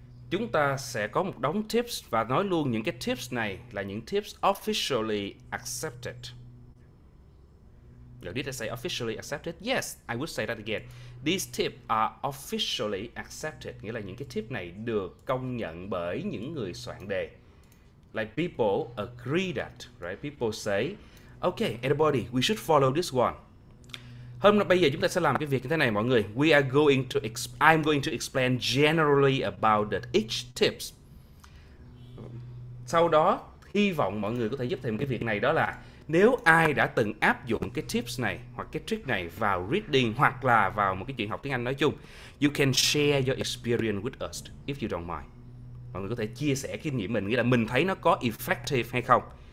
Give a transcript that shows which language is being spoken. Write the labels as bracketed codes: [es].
[vi] Chúng ta sẽ có một đống tips và nói luôn những cái tips này là những tips officially accepted. [en] Now, did I say officially accepted? Yes, I would say that again. These tips are officially accepted. [vi] Nghĩa là những cái tip này được công nhận bởi những người soạn đề. [en] Like people agree that, right? People say, okay, everybody, we should follow this one. [vi] Hôm nay bây giờ chúng ta sẽ làm cái việc như thế này mọi người. [en] I'm going to explain generally about that each tips. [vi] Sau đó, hy vọng mọi người có thể giúp thêm cái việc này đó là nếu ai đã từng áp dụng cái tips này hoặc cái trick này vào reading hoặc là vào một cái chuyện học tiếng Anh nói chung, [en] you can share your experience with us if you don't mind. [vi] Mọi người có thể chia sẻ kinh nghiệm mình, nghĩa là mình thấy nó có effective hay không.